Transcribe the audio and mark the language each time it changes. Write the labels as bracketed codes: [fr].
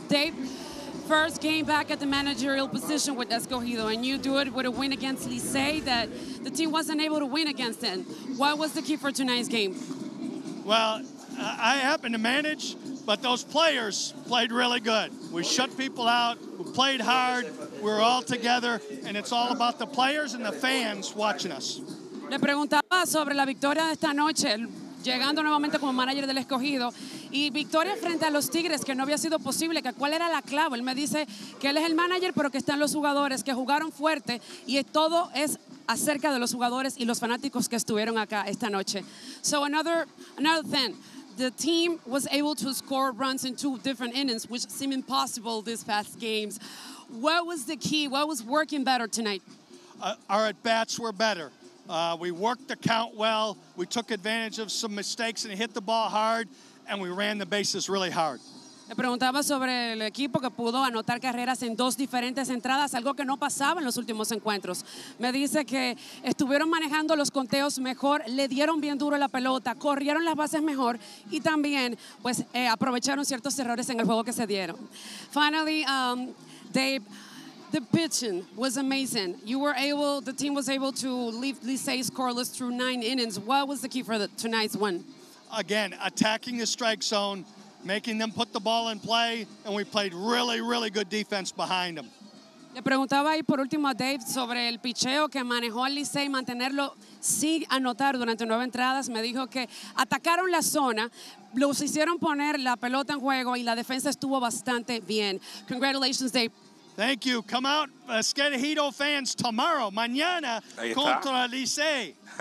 [en] Dave, first game back at the managerial position with Escogido, and you do it with a win against Licey that the team wasn't able to win against then. What was the key for tonight's game? Well, I happened to manage, but those players played really good. We shut people out, we played hard, we were all together, and it's all about the players and the fans watching us. [es] Le preguntaba sobre la victoria de esta noche, llegando nuevamente como manager del Escogido, y victoria frente a los Tigres, que no había sido posible, que cuál era la clave. Él me dice que él es el manager, pero que están los jugadores, que jugaron fuerte, y todo es acerca de los jugadores y los fanáticos que estuvieron acá esta noche. [en] So another thing, the team was able to score runs in two different innings, which seem impossible these past games. What was the key? What was working better tonight? Our at-bats were better. We worked the count well, we took advantage of some mistakes and hit the ball hard, and we ran the bases really hard. [es] Le preguntaba sobre el equipo que pudo anotar carreras en dos diferentes entradas, algo que no pasaba en los últimos encuentros. Me dice que estuvieron manejando los conteos mejor, le dieron bien duro la pelota, corrieron las bases mejor y también pues aprovecharon ciertos errores en el juego que se dieron. [en] Finally, Dave, the pitching was amazing. The team was able to leave Licey scoreless through 9 innings. What was the key for tonight's win? Again, attacking the strike zone, making them put the ball in play, and we played really, really good defense behind them. [es] Le preguntaba ahí por último a Dave sobre el picheo que manejó al Licey, mantenerlo sin anotar durante 9 entradas. Me dijo que atacaron la zona, los hicieron poner la pelota en juego y la defensa estuvo bastante bien. [en] Congratulations, Dave. Thank you. Come out, Escogido fans, tomorrow, [es] mañana, contra [en] Licey.